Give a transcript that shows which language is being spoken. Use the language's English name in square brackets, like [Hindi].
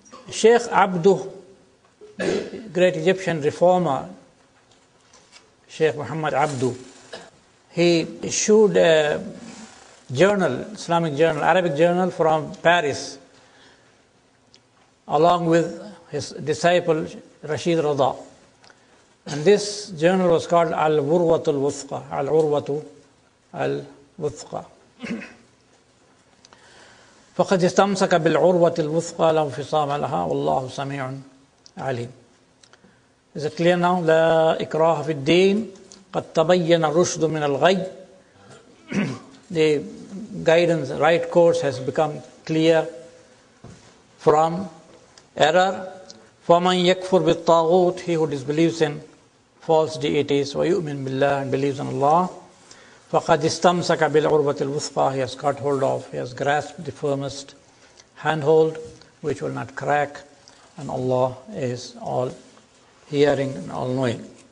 [English] Sheikh Abduh, great Egyptian reformer, Sheikh Muhammad Abduh, he issued a journal, Islamic journal, Arabic journal from Paris, along with his disciple Rashid Rada. And this journal was called Al-Urwatu Al-Wuthqa, Al-Urwatu Al-Wuthqa. [Arabic] فقد استمسك بالعروة الوثقى لا انفصام لها والله سميع عليم. [English] Is it clear now? [Arabic] لا إكراه في الدين قد تبين الرشد من الغي. [English] The guidance, right course has become clear from error. [Arabic] فمن يكفر بالطاغوت, [English] he who disbelieves in false deities, [Arabic] ويؤمن بالله [English] and believes in Allah. [Arabic] فقد استمسك بالعروة الوثقى, [English] he has caught hold of, he has grasped the firmest handhold, which will not crack, and Allah is all hearing and all knowing.